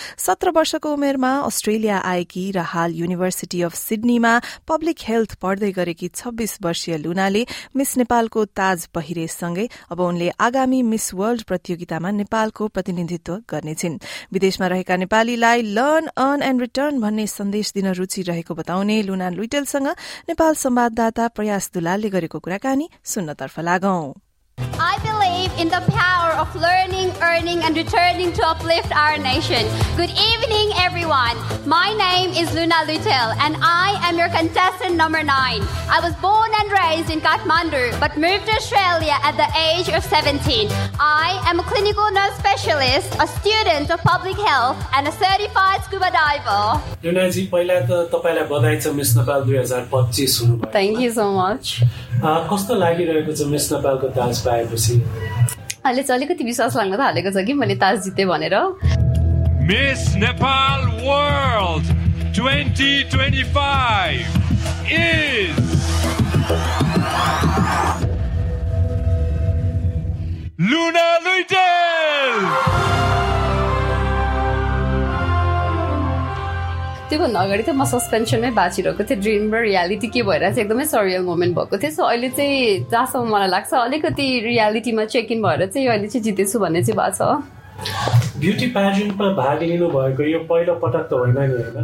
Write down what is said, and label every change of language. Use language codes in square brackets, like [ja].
[ne] 17 वर्षको उमेरमा अस्ट्रेलिया आएकी र हाल युनिभर्सिटी अफ सिडनीमा पब्लिक हेल्थ पढ्दै गरेकी 26 वर्षीय लुनाले मिस नेपालको ताज पहिरेसँगै अब उनले आगामी मिस वर्ल्ड प्रतियोगितामा नेपालको प्रतिनिधित्व गर्नेछिन्। रहेका नेपालीलाई [en] learn earn and return [ne] भन्ने सन्देश दिन रुचि रहेको बताउने लुना लुइटेलसँग नेपाल संवाददाता प्रयास दुलालले गरेको कुराकानी सुन्नतर्फ लागौं। [en] I believe in the power of learning, earning and returning to uplift our nation. Good evening everyone. My name is Luna Lutel and I am your contestant number 9. I was born and raised in Kathmandu but moved to Australia at the age of 17. I am a clinical nurse specialist, a student of public health and a certified scuba diver. [ne] Luna ji, paila ta tapailai badhai cha Miss Nepal 2025 hunu bhayo. [en] Thank you so much. [ne] Kasto lagiraheko cha Miss Nepal ko taj paye pachi? अहिले चाहिँ अलिकति विश्वास लाग्न थालेको छ कि मैले ताज जिते भनेर। [en] Miss Nepal World 2025 is Luna Luitel. [ne] त्योभन्दा अगाडि त म सस्पेन्सनमै बाँचिरहेको थिएँ। ड्रिम र रियालिटी के भइरहेको थियो, एकदमै सरियल मोमेन्ट भएको थियो। सो अहिले चाहिँ जहाँसम्म मलाई लाग्छ अलिकति रियालिटीमा चेक इन भएर चाहिँ अहिले चाहिँ जितेछु भन्ने चाहिँ भएको छ। ब्युटी पेजेन्टमा भाग लिनुभएको यो पहिलो पटक त होइन नि